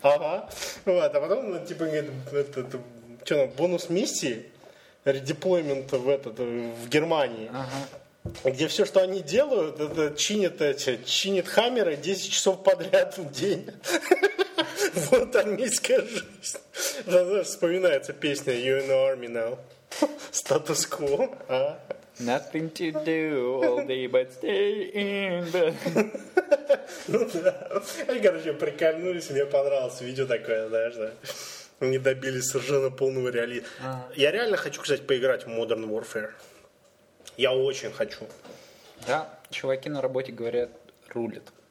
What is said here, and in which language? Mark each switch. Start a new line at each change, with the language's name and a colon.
Russian: Ага. Вот. А потом, ну, типа, говорит, что там, бонус миссии, редеплоймент в Германии, где все, что они делают, это чинят хаммеры 10 часов подряд в день. Вот армейская жизнь. Вспоминается песня You're in the Army Now. Status quo. А?
English: Nothing to do all day but stay in bed.
Russian: Ну да. Они, короче, прикольнулись. Мне понравилось видео такое, знаешь, да. Не добились совершенно полного реализма. А-а-а. Я реально хочу, кстати, поиграть в Modern Warfare. Я очень хочу. Да, чуваки на работе говорят, рулят.